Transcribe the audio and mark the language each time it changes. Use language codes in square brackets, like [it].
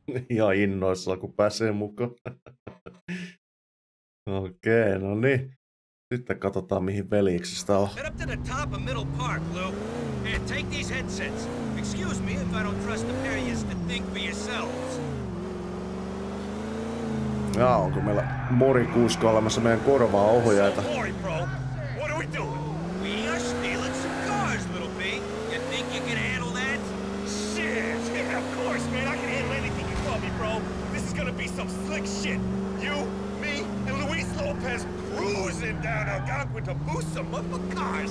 [fi] Ihan innoissaan, kun pääsee mukaan. Okei, no niin. Sitten katsotaan, mihin veljeksistä on. [en] Get up to the top of Middle Park, Lou. Here, take these headsets. Excuse me if I don't trust the pair of you to think for yourselves. [fi] Jaa, onko meillä Mori kuuskaa olemassa meidän korvaa ohjaajata? [en] So boring, bro. What are we doing? We are stealing some cars, little B. You think you can handle that? Shit! Yeah, of course, man. I can handle anything you call me, bro. This is gonna be some slick shit. You, me, and Luis Lopez cruising down Algonquin to boost some motherfucking cars.